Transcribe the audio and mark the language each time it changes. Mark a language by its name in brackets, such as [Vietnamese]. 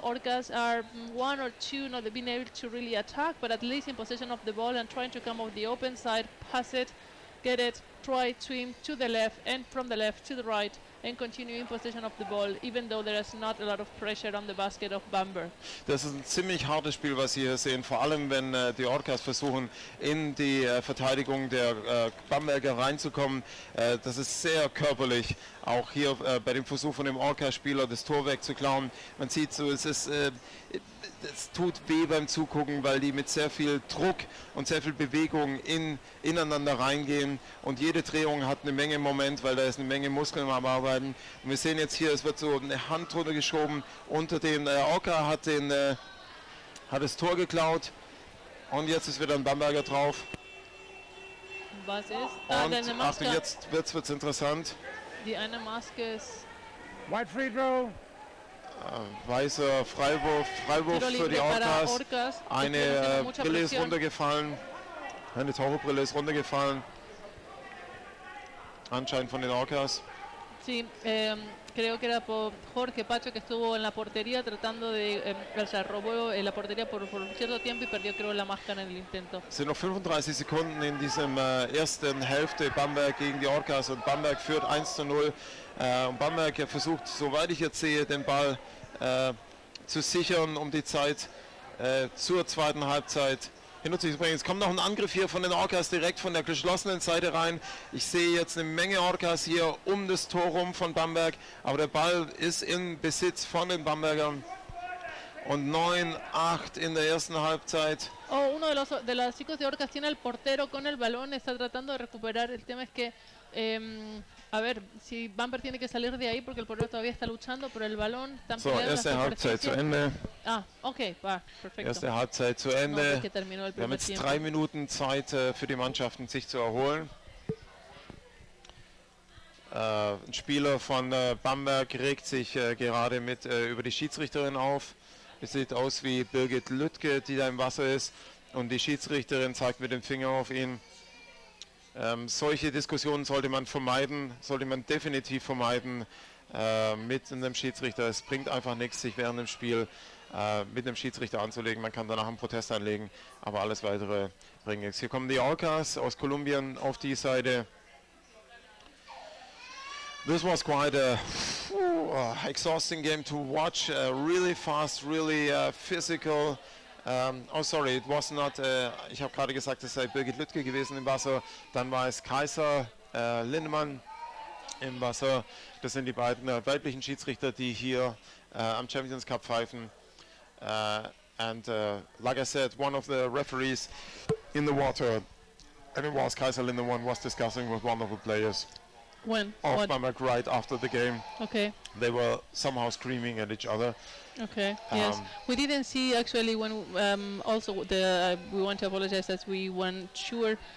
[English] Orcas are one or two not being able to really attack, but at least in possession of the ball and trying to come off the open side, pass it, get it, try to aim to the left and from the left to the right and continue in possession of the ball, even though there is not a lot of pressure on the basket of Bamberg. [German] Das ist ein ziemlich hartes Spiel, was Sie hier sehen, vor allem wenn die Orcas versuchen, in die Verteidigung der Bamberger reinzukommen. Das ist sehr körperlich, auch hier bei dem Versuch von dem Orca-Spieler, das Tor wegzuklauen. Man sieht so, es ist... Es tut weh beim Zugucken, weil die mit sehr viel Druck und sehr viel Bewegung ineinander reingehen. Und jede Drehung hat eine Menge Moment, weil da ist eine Menge Muskeln am Arbeiten. Und wir sehen jetzt hier, es wird so eine Hand drunter geschoben unter den Orca, hat das Tor geklaut. Und jetzt ist wieder ein Bamberger drauf. Was ist? Und Achtung, jetzt wird es interessant. Die eine Maske ist... [English] White free throw. [German] Weißer Freiwurf für die Orcas, eine Brille ist runtergefallen, eine Taucherbrille ist runtergefallen, anscheinend von den Orcas. [Spanish] Sí, creo que era por Jorge Pacho que estuvo en la portería tratando de, o sea, robó en la portería por un cierto tiempo y perdió creo la máscara en el intento. [German] Sind noch 35 Sekunden in diesem ersten Hälfte Bamberg gegen die Orcas und Bamberg führt 1-0. Und Bamberg versucht, soweit ich jetzt sehe, den Ball zu sichern, um die Zeit zur zweiten Halbzeit hinzubringen. Es kommt noch ein Angriff hier von den Orcas direkt von der geschlossenen Seite rein. Ich sehe jetzt eine Menge Orcas hier um das Tor rum von Bamberg, aber der Ball ist im Besitz von den Bambergern. Und 9-8 in der ersten Halbzeit. [Spanish] Oh, uno de los chicos de Orcas tiene el portero con el balón, está tratando de recuperar. El tema es que a ver, si Bamberg tiene que salir de ahí porque el portero todavía está luchando, pero el balón está [German] so, erste Halbzeit zu Ende. [Spanish] Ah, okay, va, perfecto. [German] Erste Halbzeit zu Ende. [Spanish] No, [German] wir haben jetzt 3 Minuten Zeit für die Mannschaften, sich zu erholen. Ein Spieler von Bamberg regt sich gerade mit über die Schiedsrichterin auf. Es sieht aus wie Birgit Lüttke, die da im Wasser ist. Und die Schiedsrichterin zeigt mit dem Finger auf ihn. Solche Diskussionen sollte man vermeiden, sollte man definitiv vermeiden mit einem Schiedsrichter. Es bringt einfach nichts, sich während dem Spiel mit einem Schiedsrichter anzulegen. Man kann danach einen Protest anlegen, aber alles Weitere bringt nichts. Hier kommen die Orcas aus Kolumbien auf die Seite. [English] This was quite a exhausting game to watch. Really fast, really physical. Oh, sorry, it was not, [German] ich habe gerade gesagt, es sei Birgit Lüttke gewesen im Wasser. Dann war es Kaiser Lindemann im Wasser. Das sind die beiden weiblichen Schiedsrichter, die hier am Champions Cup pfeifen. [English] Like I said, one of the referees in the water, and it was Kaiser Lindemann, was discussing with one of the players. When? Of Bamberg right after the game. Okay. They were somehow screaming at each other. Okay. Yes. We didn't see actually when we want to apologize as we weren't sure.